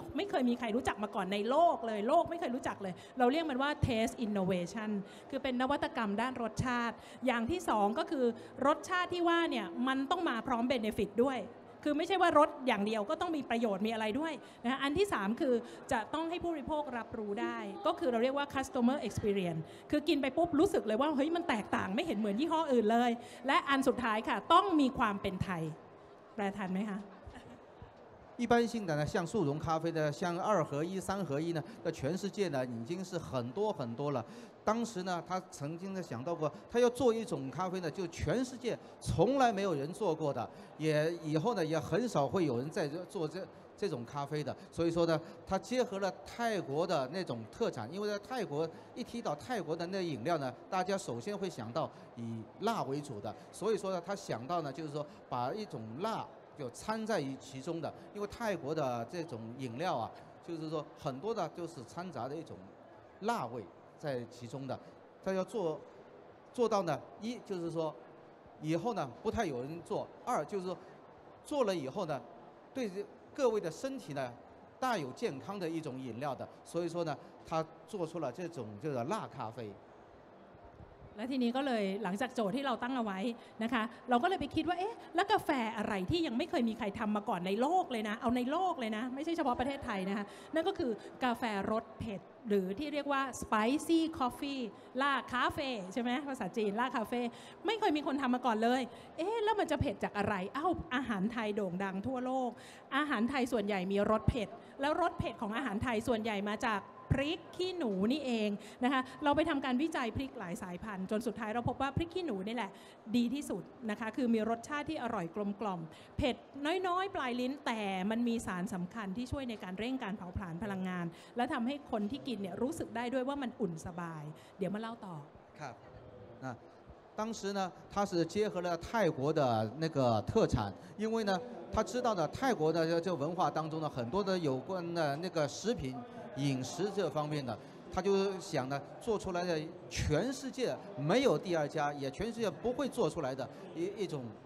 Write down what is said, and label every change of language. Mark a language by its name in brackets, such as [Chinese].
[Thai] เคยมีใครรู้จักมาก่อนในโลกเลยโลกไม่เคยรู้จักเลยเราเรียกมันว่า taste innovation คือเป็นนวัตกรรมด้านรสชาติอย่างที่สองก็คือรสชาติที่ว่าเนี่ยมันต้องมาพร้อม benefit ด้วยคือไม่ใช่ว่ารสอย่างเดียวก็ต้องมีประโยชน์มีอะไรด้วยนะฮะอันที่3คือจะต้องให้ผู้บริโภครับรู้ได้ก็คือเราเรียกว่า customer experience คือกินไปปุ๊บรู้สึกเลยว่าเฮ้ยมันแตกต่างไม่เห็นเหมือนยี่ห้ออื่นเลยและอันสุดท้ายค่ะต้องมีความเป็นไทยแปลทันไหมคะ [Chinese] 一般性的呢像速溶咖啡的像二合一三合一呢那全世界呢已经是很多很多了当时呢他曾经呢想到过他要做一种咖啡呢就全世界从来没有人做过的也以后呢也很少会有人在做这种咖啡的所以说呢他结合了泰国的那种特产因为在泰国一提到泰国的那饮料呢大家首先会想到以辣为主的所以说呢他想到呢就是说把一种辣就掺在于其中的因为泰国的这种饮料啊就是说很多的就是掺杂的一种辣味在其中的他要做到呢一就是说以后呢不太有人做二就是说做了以后呢，对各位的身体呢，大有健康的一种饮料的。所以说呢，他做出了这种叫做辣咖啡。 [Thai] และทีนี้ก็เลยหลังจากโจทย์ที่เราตั้งเอาไว้นะคะเราก็เลยไปคิดว่าเอ๊ะแล้วกาแฟอะไรที่ยังไม่เคยมีใครทำมาก่อนในโลกเลยนะเอาในโลกเลยนะไม่ใช่เฉพาะประเทศไทยนะคะนั่นก็คือกาแฟรสเผ็ดหรือที่เรียกว่า spicy coffee ล่าคาเฟ่ใช่ไหมภาษาจีนล่าคาเฟ่ ไม่เคยมีคนทำมาก่อนเลยเอ๊ะแล้วมันจะเผ็ดจากอะไรเอ้าอาหารไทยโด่งดังทั่วโลกอาหารไทยส่วนใหญ่มีรสเผ็ดแล้วรสเผ็ดของอาหารไทยส่วนใหญ่มาจากพริกขี้หนูนี่เองนะคะเราไปทำการวิจัยพริกหลายสายพันธุ์จนสุดท้ายเราพบว่าพริกขี้หนูนี่แหละดีที่สุดนะคะคือมีรสชาติที่อร่อยกลมกล่อมเผ็ดน้อยๆปลายลิ้นแต่มันมีสารสำคัญที่ช่วยในการเร่งการเผาผลาญพลังงานและทำให้คนที่กินเนี่ยรู้สึกได้ด้วยว่ามันอุ่นสบายเดี๋ยวมาเล่าต่อ ครับนะ [Chinese] 当时呢他是结合了泰国的那个特产因为呢他知道呢泰国的这文化当中呢很多的有关的那个食品饮食这方面的他就想呢做出来的全世界没有第二家也全世界不会做出来的 一种